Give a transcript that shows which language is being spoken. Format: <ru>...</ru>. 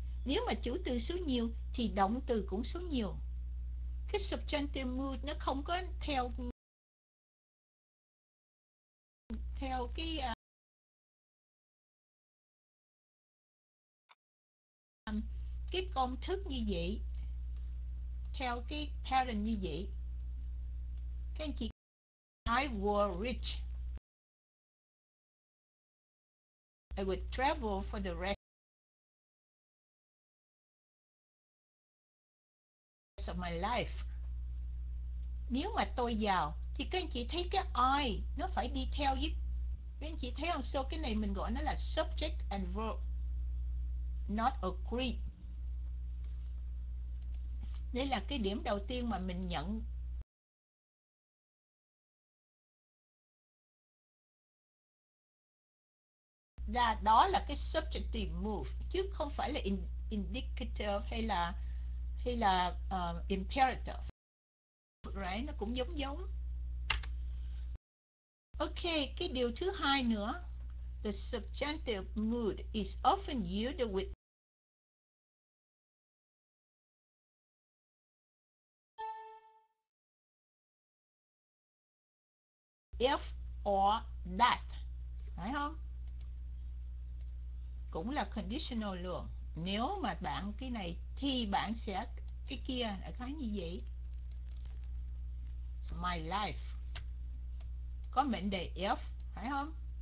<vi>Nếu mà chủ từ số nhiều thì động từ cũng số nhiều. Cái subjunctive mood nó không có theo theo cái cái công thức như vậy, theo cái pattern như vậy. Các anh chị,</vi> <en>I was rich, I would travel for the rest of my life.</en> <vi>Nếu mà tôi giàu thì các anh chị thấy cái I nó phải đi theo với, các anh chị thấy không? So cái này mình gọi nó là</vi> <en>subject and verb not agree.</en> <vi>Đây là cái điểm đầu tiên mà mình nhận. Là đó là cái subjective move chứ không phải là indicative hay là imperative.</vi> <en>Right?</en> <vi>Nó cũng giống giống. Ok, cái điều thứ hai nữa.</vi> <en>The subjunctive mood is often used with if or that,</en> <vi>phải không? Cũng là conditional luôn. Nếu mà bạn cái này thì bạn sẽ cái kia, là cái như vậy. So my life có mệnh đề if, phải không?</vi>